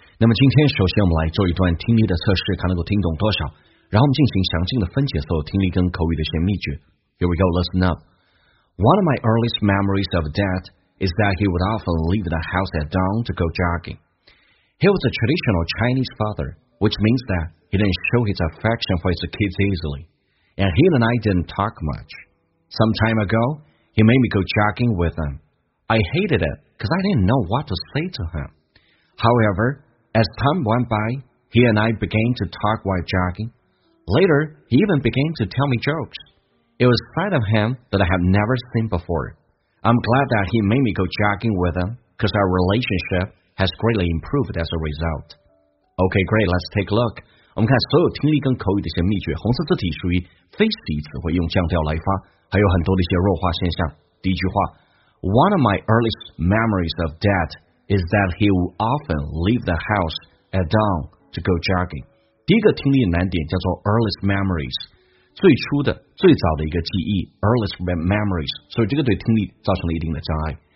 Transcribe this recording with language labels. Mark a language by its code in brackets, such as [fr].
[zh] 那么今天首先我们来做一段听力的测试，看能够听懂多少，然后我们进行详尽的分解所有听力跟口语的一些秘诀。 [en] Here we go, listen up. One of my earliest memories of Dad is that he would often leave the house at dawn to go jogging. He was a traditional Chinese father, which means that he didn't show his affection for his kids easily, and he and I didn't talk much. Some time agoHe made me go jogging with him. I hated it because I didn't know what to say to him. However, as time went by, he and I began to talk while jogging. Later, he even began to tell me jokes. It was a side of him that I had never seen before. I'm glad that he made me go jogging with him because our relationship has greatly improved as a result. Okay, great, let's take a look. [zh] 我们看所有听力跟口语的一些秘诀，红色字体属于非习词，会用降调来发。还有很多的一些弱化现象。第一句话 [en] One of my earliest memories of Dad is that he would often leave the house at dawn to go jogging. [zh] 第一个听力难点叫做 earliest memories， 最初的最早的一个记忆 earliest memories， 所以这个对听力造成了一定的障碍。